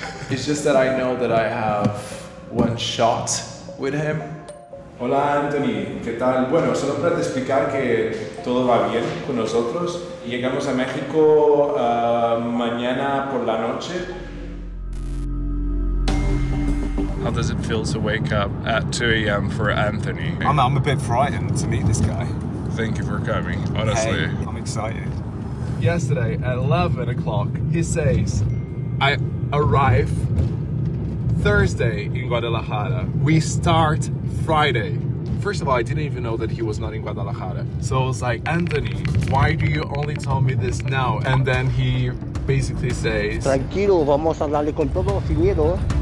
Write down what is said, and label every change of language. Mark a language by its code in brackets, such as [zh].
[en] It's just that I know that I have one shot with him. [es] Hola Anthony, ¿qué tal? Bueno, solo para te explicar que todo va bien con nosotros. Llegamos a México mañana por la noche. [en] How does it feel to wake up at 2 a.m. for Anthony? I'm a bit frightened to meet this guy. Thank you for coming, honestly. Hey, I'm excited. Yesterday at 11 o'clock, he says, I arrive Thursday in Guadalajara. We start Friday. First of all, I didn't even know that he was not in Guadalajara. So I was like, Anthony, why do you only tell me this now? And then he basically says, [es] tranquilo, vamos a hablarle con todo sin miedo.